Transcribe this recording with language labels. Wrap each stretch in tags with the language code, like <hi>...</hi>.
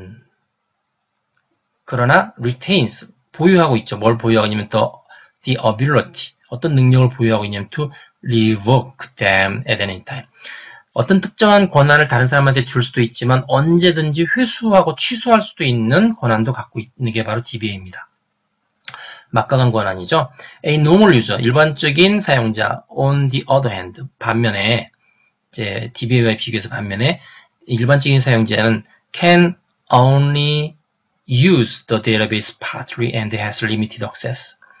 <ko>But 그러나 retains 보유하고 있죠. 뭘 보유하고 있냐면</ko> <en>the ability,</en> <ko>어떤 능력을 보유하고 있냐면</ko> <en>to revoke them at any time.</en> <ko>어떤 특정한 권한을 다른 사람한테 줄 수도 있지만 언제든지 회수하고 취소할 수도 있는 권한도 갖고 있는 게 바로 DBA입니다. 막강한 권한이죠.</ko> <en>A normal user,</en> <ko>일반적인 사용자.</ko> <en>On the other hand,</en> <ko>반면에 이제 DBA와 비교해서 반면에 일반적인 사용자는</ko> <en>can only use the database partly and has limited access.</en>